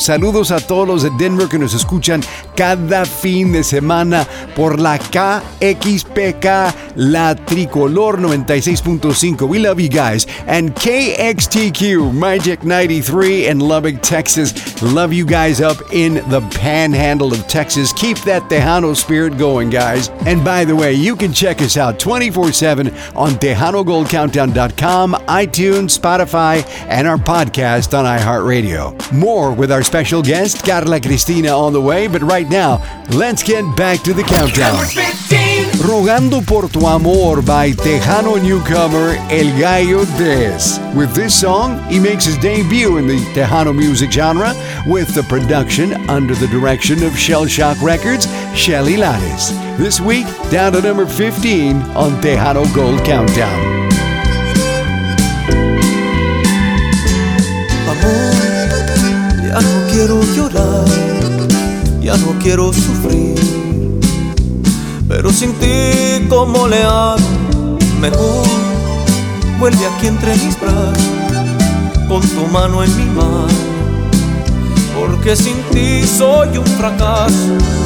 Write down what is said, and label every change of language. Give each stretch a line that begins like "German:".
Spanish: Saludos a todos los de Denver que nos escuchan cada fin de semana por la KXPK, La Tricolor 96.5.
English: We love you guys, and KXTQ Magic 93 in Lubbock, Texas. Love you guys up in the panhandle of Texas. Keep that Tejano spirit going, guys. And by the way, you can check us out 24/7 on TejanoGoldCountdown.com, iTunes, Spotify, and our podcast on iHeartRadio. More with our special guest, Carla Cristina, on the way, but right now, let's get back to the countdown. Rogando por tu amor by Tejano newcomer El Gallo Des. With this song, he makes his debut in the Tejano music genre with the production under the direction of Shell Shock Records, Shelly Lattes. This week, down to number 15 on Tejano Gold Countdown.
Spanish: Amor, ya no quiero llorar, ya no quiero sufrir. Pero sin ti, ¿cómo le hago? Mejor vuelve aquí entre mis brazos, con tu mano en mi mano, porque sin ti soy un fracaso.